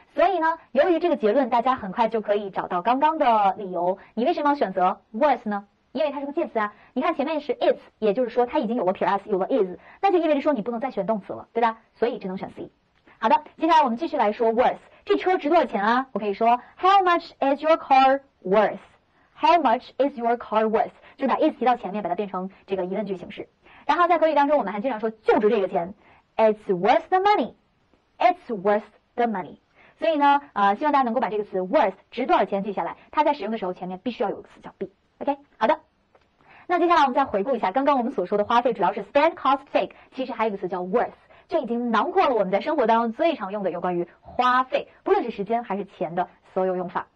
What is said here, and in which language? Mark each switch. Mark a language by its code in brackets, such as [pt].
[zh] 所以呢，由于这个结论，大家很快就可以找到刚刚的理由，你为什么要选择 worth 呢？因为它是个介词啊。你看前面是 is， 也就是说它已经有了撇 s， 有了 is， 那就意味着说你不能再选动词了，对吧？所以只能选 c。好的，接下来我们继续来说 worth， 这车值多少钱啊？我可以说 [en] how much is your car worth， [zh] how much is your car worth， 就把 is 提到前面，把它变成这个疑问句形式。然后在口语当中我们还经常说就值这个钱， [en] it's worth the money， [zh] it's worth the money。所以呢希望大家能够把这个词 worth 值多少钱记下来，它在使用的时候前面必须要有个词叫 be。 OK， 好的，那接下来我们再回顾一下刚刚我们所说的花费主要是 spend cost take， 其实还有一个词叫 worth， 就已经囊括了我们在生活当中最常用的有关于花费不论是时间还是钱的所有用法。